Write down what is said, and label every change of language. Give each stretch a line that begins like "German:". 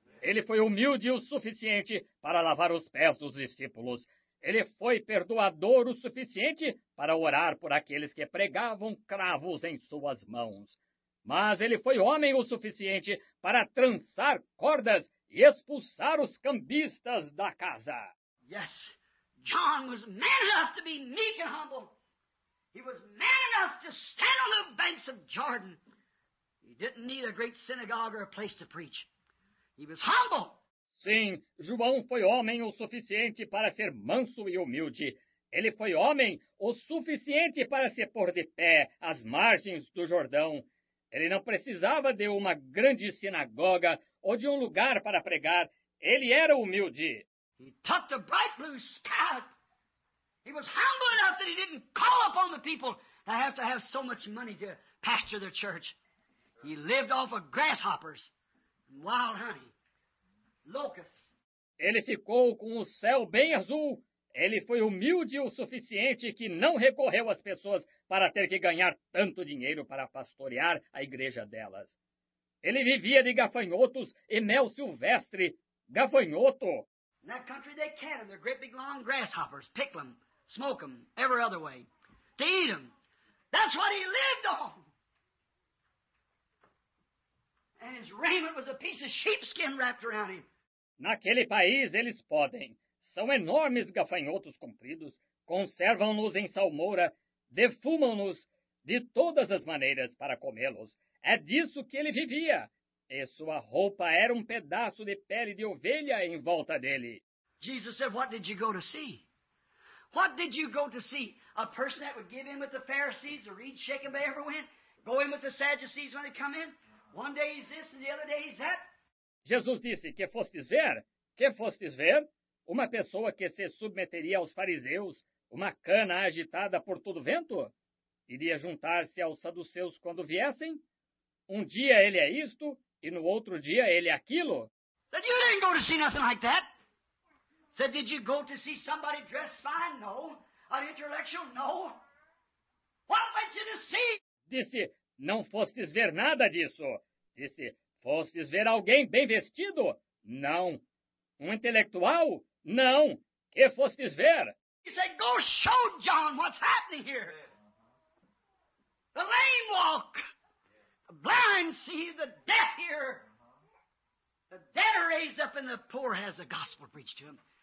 Portuguese: Ele foi humilde o suficiente para lavar os pés dos discípulos. Ele foi perdoador o suficiente para orar por aqueles que pregavam cravos em suas mãos. Mas ele foi homem o suficiente para trançar cordas e expulsar os cambistas da casa.
English: Yes, John was man enough to be meek and humble. He was man enough to stand on the banks of Jordan. He didn't need a great synagogue or a place to preach. He was humble.
Portuguese: Sim, João foi homem o suficiente para ser manso e humilde. Ele foi homem o suficiente para se pôr de pé às margens do Jordão. Ele não precisava de uma grande sinagoga ou de um lugar para pregar. Ele era humilde.
English: He touched the bright blue sky. He was humble enough that he didn't call upon the people that have to have so much money to pasture their church. He lived off of grasshoppers and wild honey, locusts.
Portuguese: Ele ficou com o céu bem azul. Ele foi humilde o suficiente que não recorreu às pessoas para ter que ganhar tanto dinheiro para pastorear a igreja delas. Ele vivia de gafanhotos e mel silvestre. Gafanhoto!
English: In that country they catch them, they're great big long grasshoppers. Pick them, smoke them, every other way. To eat them. That's what he lived on! And his raiment was a piece of sheepskin wrapped around him.
Portuguese: Naquele país eles podem. São enormes gafanhotos compridos, conservam-nos em salmoura, defumam-nos de todas as maneiras para comê-los. É disso que ele vivia. E sua roupa era um pedaço de pele de ovelha em volta dele.
English: Jesus said, what did you go to see? What did you go to see? A person that would give in with the Pharisees, the reed shaken by every wind, go in with the Sadducees when they come in? One day he's this and the other day he's that?
Portuguese: Jesus disse, que fostes ver? Que fostes ver? Uma pessoa que se submeteria aos fariseus, uma cana agitada por todo vento? Iria juntar-se aos saduceus quando viessem? Um dia ele é isto, e no outro dia ele é aquilo?
English: Said, you didn't go to see nothing like that. Said, did you go to see somebody dressed fine? No. An intellectual? No. What went you to see?
Portuguese: Disse, não fostes ver nada disso. Disse, fostes ver alguém bem vestido? Não. Um intelectual? Não. Que fostes ver?
English: He said, go show John what's happening here. The lame walk. The blind see, the deaf hear. The dead are raised up and the poor has the gospel preached to him.